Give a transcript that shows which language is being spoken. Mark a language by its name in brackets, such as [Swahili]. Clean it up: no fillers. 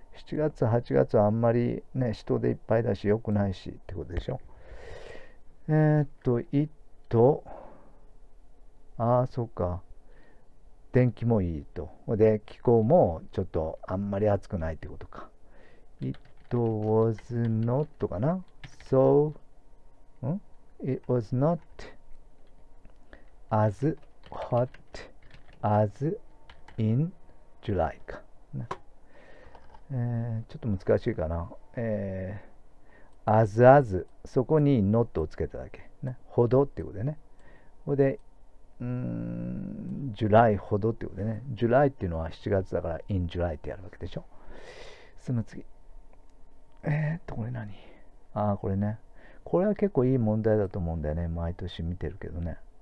[Japanese] 7月、8月はあんまりね、人でいっぱいだし、良くないしってことでしょ。 It と、そうか。天気もいいと。で、気候もちょっとあんまり暑くないってことか。 [English] It was not [Japanese] かな？ [English] So, It was not as hot as in July か。 [Japanese] ちょっと難しいかな。 As, そこに not をつけただけ。ね。ほどっていうことでね。ほで、ジュライほどってことでね、ジュライっていうのは7月だから、インジュライってやるわけでしょ。その次、これ何？ああ、これね、これは結構いい問題だと思うんだよね、毎年見てるけどね。